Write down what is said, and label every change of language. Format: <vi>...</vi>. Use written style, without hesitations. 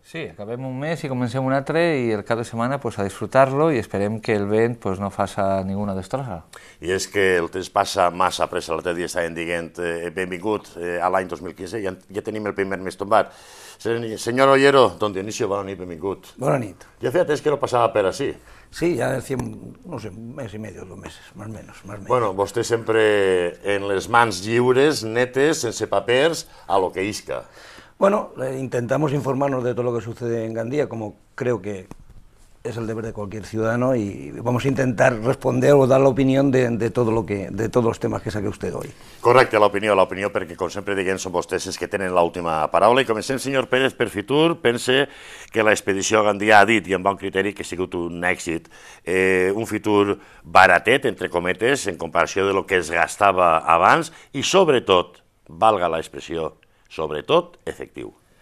<ca>Sí, acabem un mes i comencem un altre i el cap de setmana pues, a disfrutar-lo i esperem que el vent pues, no faça ninguna destrossa. I és que el temps passa massa pressa. L'altre dia estàvem dient benvingut a l'any 2015, ja tenim el primer mes tombat. Senyor Ollero, don Dionisio, bona nit, benvingut. Bona nit. Ja feia temps que no passava per així. Sí, ja decíem,</ca> <es>no sé, un mes i medio, dos meses, más o menos, más o menos.</es> <ca>Bueno, vostè sempre en les mans lliures, netes, sense papers, a lo que isca.</ca> <es>Bueno, intentamos informarnos de todo lo que sucede en Gandía, como creo que es el deber de cualquier ciudadano, y vamos a intentar responder o dar la opinión de todos los temas que saque usted hoy.</es> <ca>Correcte, la opinió, perquè com sempre diguem, són vostès els que tenen l'última paraula. I comencem, senyor Pérez, per Fitur. Pense que l'expedició a Gandia ha dit, i amb bon criteri, que ha sigut un èxit, un Fitur baratet, entre cometes, en comparació de lo que es gastava abans, i sobretot, valga la expressió, sobretot, efectiu.</ca>